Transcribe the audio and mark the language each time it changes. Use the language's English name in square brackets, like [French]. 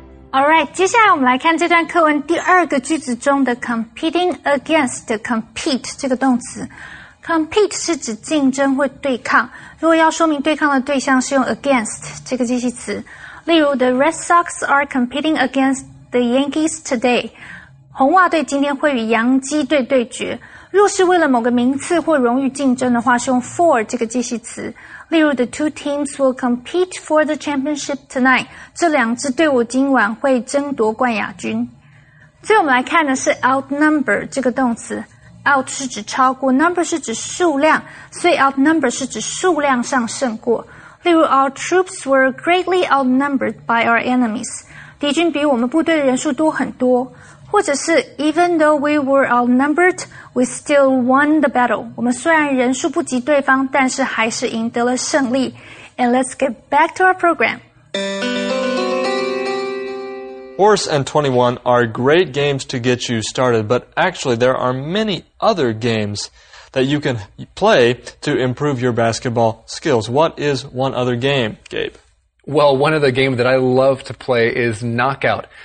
[English] All right, [Chinese] 接下来我们来看这段课文第二个句子中的 competing against, compete 这个动词。 Compete 是指竞争或对抗。如果要说明对抗的对象是用 against 这个介系词。例如 [English] The Red Sox are competing against the Yankees today. [Chinese] 红袜队今天会与洋基队对决。若是为了某个名次或荣誉竞争的话，是用 for 这个介系词。例如 [English] The two teams will compete for the championship tonight. [Chinese] 这两支队伍今晚会争夺冠亚军。最后我们来看的是 outnumber 这个动词。out 是指超过， number 是指数量，所以 outnumber 是指数量上胜过。例如 [English] our troops were greatly outnumbered by our enemies. [Chinese] 敌军比我们部队的人数多很多。或者是 [English] even though we were outnumbered, we still won the battle. [Chinese] 我们虽然人数不及对方，但是还是赢得了胜利。 [English] And let's get back to our program. Horse and 21 are great games to get you started, but actually there are many other games that you can play to improve your basketball skills. What is one other game, Gabe? Well, one of the games that I love to play is knockout.